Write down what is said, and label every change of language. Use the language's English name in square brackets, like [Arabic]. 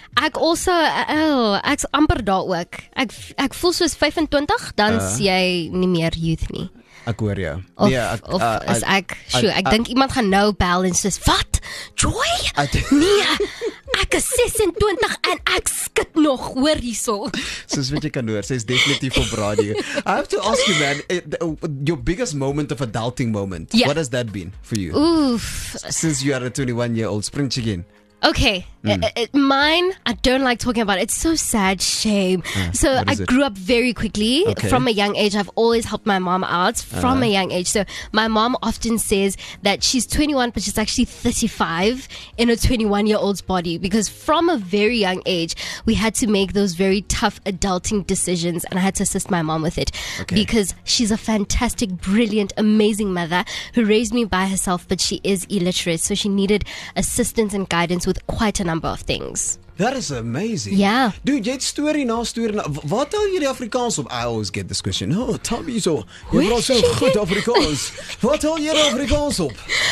[Afrikaans] Ek also, ek's amper daar ook. Ek voel soos 25, dan sien jy nie meer youth nie. Ek hoor jou. Ek dink iemand gaan nou bel en sê, wat? Joy? Ek is 26 en ek skit nog, hoor hierso. Soos wat jy kan hoor, sy is definitief op radio. [English] I have to ask you, man, your biggest moment of adulting moment, yeah. What has that been for you? Oof. Since you are a 21-year-old, spring chicken. Okay, mine, I don't like talking about it. It's so sad, shame. So I grew up very quickly from a young age. I've always helped my mom out from a young age. So my mom often says that she's 21, but she's actually 35 in a 21-year-old's body. Because from a very young age, we had to make those very tough adulting decisions. And I had to assist my mom with it. Okay. Because she's a fantastic, brilliant, amazing mother who raised me by herself, but she is illiterate. So she needed assistance and guidance with quite a number of things. That is amazing. Yeah. [Afrikaans] Dude, jy het story na story. Wat tel jy die Afrikaans op? [English] I always get this question. Oh, tell me so. [Afrikaans] Jy praat so goed Afrikaans. Wat tel jy die Afrikaans op?